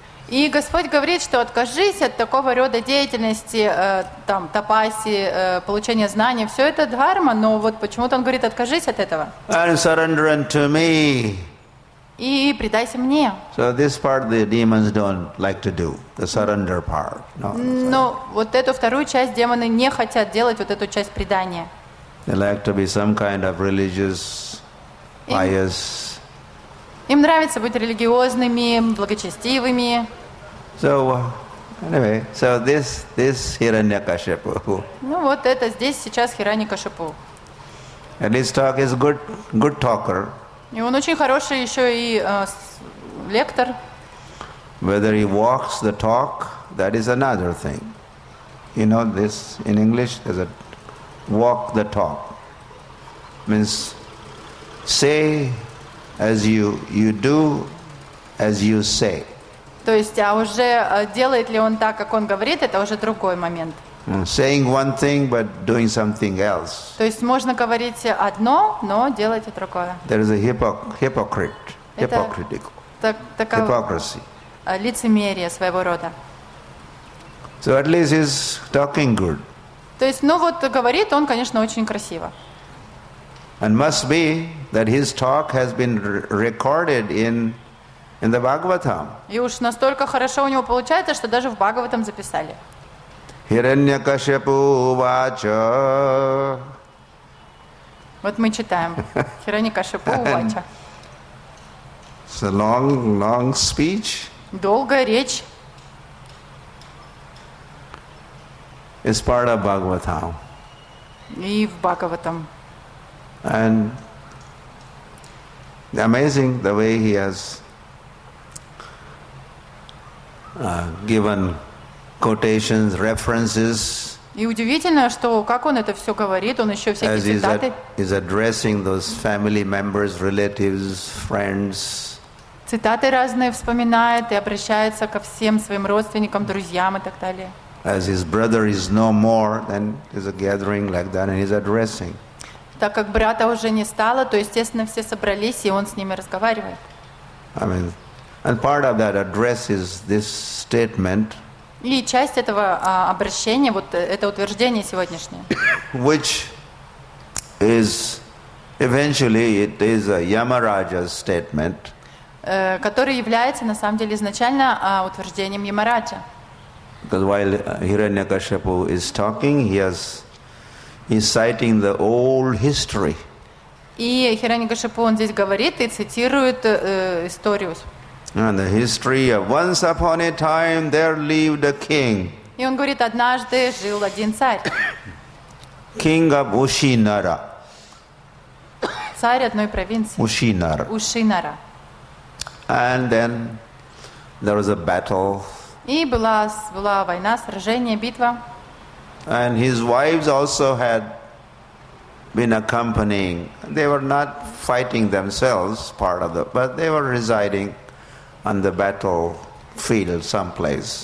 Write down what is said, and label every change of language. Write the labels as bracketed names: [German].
[Russian] И Господь говорит, что откажись от такого рода деятельности, там тапаси, получения знаний. Все это дхарма, но вот почему-то он говорит, откажись от этого. [English] And surrender unto me. [Russian] И предайся мне. [English] So this part the demons don't like to do, the surrender part. [Russian] Но вот эту вторую часть демоны не хотят делать, вот эту часть предания. [English] They like to be some kind of religious, pious. [Russian] Им нравится быть религиозными, благочестивыми. [English] So, anyway, so this Hiranyakashipu. [Russian] Ну вот это здесь сейчас Хираньякашипу. [English] And his talk is good talker. [Russian] И он очень хороший еще и лектор. [English] Whether he walks the talk, that is another thing. You know this in English is a walk the talk. Means say as you do as you say. [Russian] То есть, а уже делает ли он так, как он говорит, это уже другой момент. [English] Saying one thing but doing something else. [Russian] То есть можно говорить одно, но делать другое. [English] There is a hypocritical. Hypocrisy. [Russian] Лицемерие своего рода. [English] So at least he's talking good. [Russian] То есть, ну вот говорит он, конечно, очень красиво. [English] And must be that his talk has been recorded in the Bhagavatam. [Russian] И уж настолько хорошо у него получается, что даже в Бхагаватам записали. [Sanskrit] Хираньякашипу вача. [Russian] Вот мы читаем. [Sanskrit] Хираньякашипу вача. [English] It's a long speech. [Russian] Долгая речь. [English] It's part of Bhagavatam. [Russian] И в Бхагаватам. [English] And amazing the way he has given quotations, references. [Russian] И удивительно, что как он это все говорит, он еще всякие цитаты. [English] As he's addressing those family members, relatives, friends. [Russian] Цитаты разные вспоминает и обращается ко всем своим родственникам, друзьям и так далее. [English] As his brother is no more, then there's a gathering like that, and he's addressing. [Russian] Так как брата уже не стало, то естественно все собрались и он с ними разговаривает. [English] I mean, and part of that address is this statement. [Russian] И часть этого обращения, вот это утверждение сегодняшнее. [English] Which is eventually it is a Yamaraja's statement. [Russian] Который является на самом деле изначально утверждением Ямараджа. [English] Because while Hiranyakashipu is talking, he's citing the old history. [Russian] И Хираньякашипу он здесь говорит и цитирует историю. [English] And the history of once upon a time there lived a king. [Russian] И он говорит, однажды жил один царь. [English] King of Ushinara. [Russian] Царь одной провинции. [English] Ushinara. And then there was a battle. [Russian] И была война, сражение, битва. [English] And his wives also had been accompanying. They were not fighting themselves, part of the, but they were residing on the battlefield someplace.